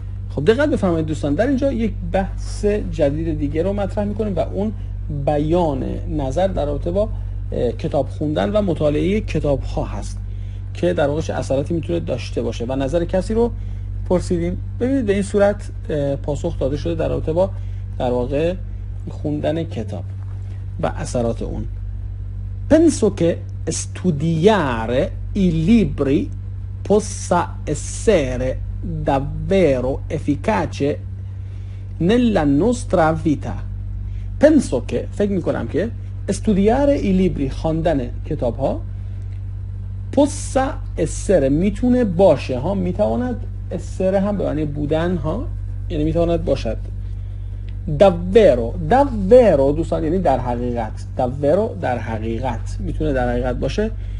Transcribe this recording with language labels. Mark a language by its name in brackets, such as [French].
[Persian] خب دقت بفرمایید دوستان، در اینجا یک بحث جدید دیگه رو مطرح میکنیم و اون بیان نظر در رابطه با کتاب خوندن و مطالعه کتاب ها هست که در واقعش اثراتی میتونه داشته باشه و نظر کسی رو پرسیدیم. ببینید به این صورت پاسخ داده شده در رابطه با در واقع خوندن کتاب و اثرات اون. [Italian] Penso che studiare i libri possa essere davvero efficace nella nostra vita. Penso che, [Persian] فکر میکنم که [Italian] studiare i libri, [Persian] خواندن کتاب ها, [Italian] possa essere, [Persian] میتونه باشه, ها میتواند, essere هم به معنی بودن ها, یعنی میتواند باشد. Davvero, davvero دوستان یعنی در حقیقت, davvero در حقیقت میتونه در حقیقت باشه.